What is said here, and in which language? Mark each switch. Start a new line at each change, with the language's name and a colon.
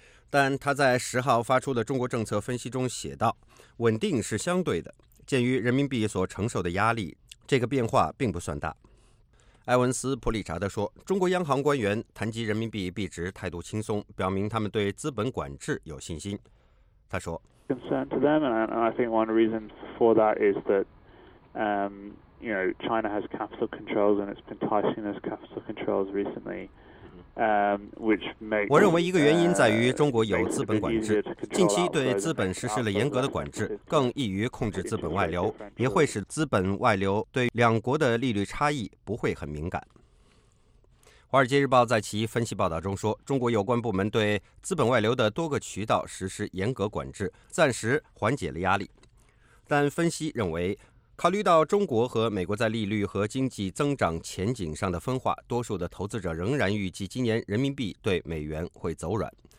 Chinese: 但他在10号发出的中国政策分析中写道，稳定是相对的，鉴于人民币所承受的压力，这个变化并不算大。埃文斯普里查德说，中国央行官员谈及人民币币值态度轻松，表明他们对资本管制有信心。他说，
English: China has capital controls and it's been tightening those capital controls recently, which makes.
Chinese: 我认为一个原因在于中国有资本管制，近期对资本实施了严格的管制，更易于控制资本外流，也会使资本外流对两国的利率差异不会很敏感。 《华尔街日报》在其分析报道中说，中国有关部门对资本外流的多个渠道实施严格管制，暂时缓解了压力，但分析认为，考虑到中国和美国在利率和经济增长前景上的分化，多数的投资者仍然预计今年人民币对美元会走软。